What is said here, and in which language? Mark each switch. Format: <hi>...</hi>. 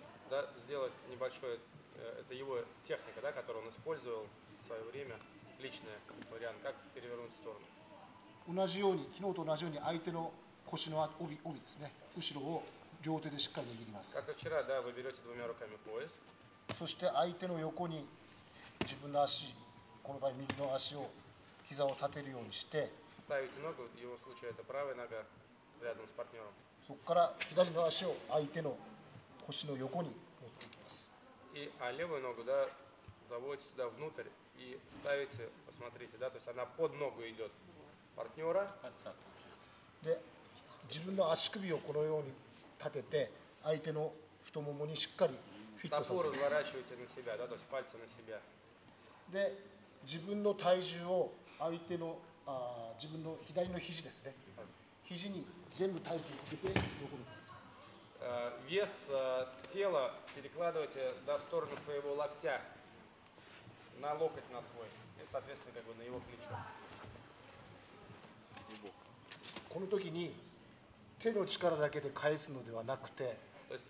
<ru>Да, сделать небольшое. Это его техника, да, которую он использовал в свое время, личный вариант, как перевернуть в сторону.</ru> <ja>同じように、昨日と同じように相手の腰の帯ですね、後ろを両手でしっかり握ります。</ja> <ru>Как вчера, да, вы берете двумя руками пояс.</ru> <ja>そして相手の横に自分の足、この場合右の足を膝を立てるようにして。</ja> <ru>Ставите ногу, в его случае это правая нога рядом с партнером.</ru> <ja>そこから左の足を相手の腰の横に持っていきます。</ja> <ru>И, а левую ногу, да, заводите сюда внутрь и ставите, посмотрите, да, то есть она под ногу идет партнера.</ru> <ja>Да, 自分の足首をこのように立てて相手の太ももにしっかりフィットさせます。</ja> <ru>Стопу разворачиваете на себя, да, то есть пальцы на себя.</ru> <ja>Да, 自分の体重を相手の自分の左の肘ですね。肘に全部体重を入れて残る。</ja> <ru>Вес тела перекладывайте да, в сторону своего локтя, на локоть на свой, и, соответственно, как бы на его плечо. То есть</ru>